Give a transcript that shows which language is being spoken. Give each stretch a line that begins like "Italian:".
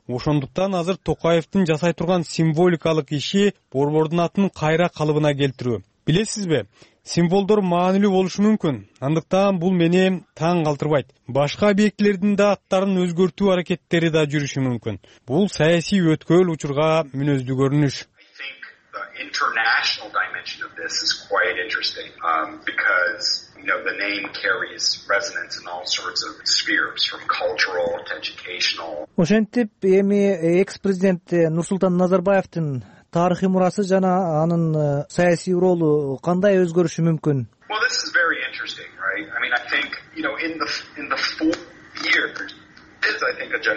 Kyrgyz: Ошондуктан азыр Токаевдин жасай турган символикалык иши борбордун атын кайра калыбына келтирүү. Билесизби? Символдор маанилүү болушу мүмкүн. Андыктан бул мени таң калтырбайт. Башка объектилердин да аттарын өзгөртүү аракеттери да жүрүшү мүмкүн. Бул саясий өткөл учурга мүнөздүү көрүнүш.
English: International dimension of this is quite interesting because the name carries resonance in all sorts of spheres from cultural to educational.
Kyrgyz: Ошентип эми экс-президент Нурсултан Назарбаевдин тарыхый мурасы жана анын саясий ролу кандай өзгөрүшү мүмкүн?
English: Well, this is very interesting, right? I mean, I think, in the 4 years,